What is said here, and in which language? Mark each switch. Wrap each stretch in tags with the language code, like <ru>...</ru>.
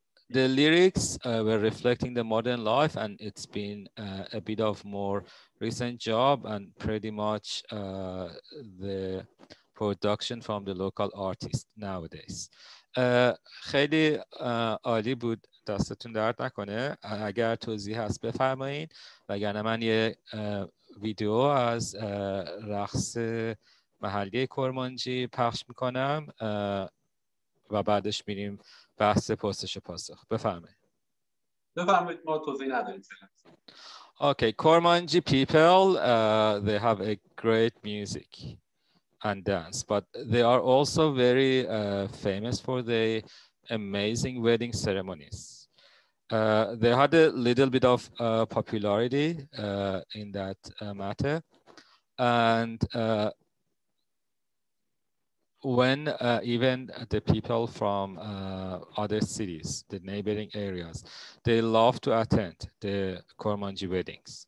<en>The lyrics were reflecting the modern life, and it's been a bit of more recent job, and pretty much the production from the local artist nowadays.</en> <fa>خیلی عالی بود، دستتون درد نکنه. اگر توضیح هست بفرمایید، وگرنه من یه ویدیو از رقص محلی کرمانجی پخش میکنم و بعدش میریم بحث پرسش پاسخ. بفرمایید. ما توضیح نداریم.</fa> <en>Okay, Kurmanji people, they have a great music and dance, but they are also very famous for the amazing wedding ceremonies. They had a little bit of popularity in that matter, and when even the people from other cities, the neighboring areas, they love to attend the Kurmanji weddings.</en>